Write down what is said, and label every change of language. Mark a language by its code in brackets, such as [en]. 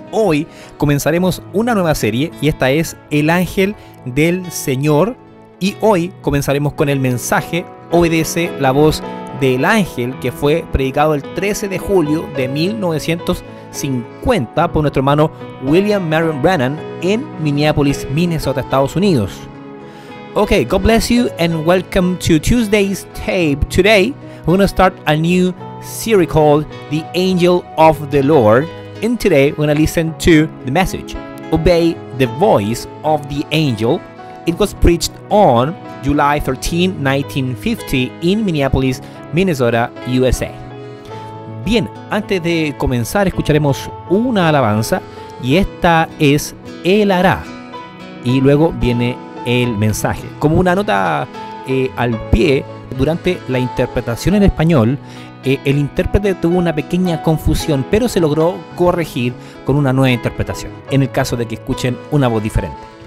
[es] Hoy comenzaremos una nueva serie y esta es El Ángel del Señor. Y hoy comenzaremos con el mensaje Obedece la voz del ángel, que fue predicado el 13 de julio de 1950 por nuestro hermano William Marion Brannan en Minneapolis, Minnesota, Estados Unidos. [en] Ok, God bless you and welcome to Tuesday's tape. Today we're going to start a new series called The Angel of the Lord. And today we're going to listen to the message Obey the Voice of the Angel. It was preached on July 13, 1950 in Minneapolis, Minnesota, USA. [es] Bien, antes de comenzar escucharemos una alabanza y esta es Él hará. Y luego viene el mensaje. Como una nota al pie, durante la interpretación en español, el intérprete tuvo una pequeña confusión, pero se logró corregir con una nueva interpretación, en el caso de que escuchen una voz diferente.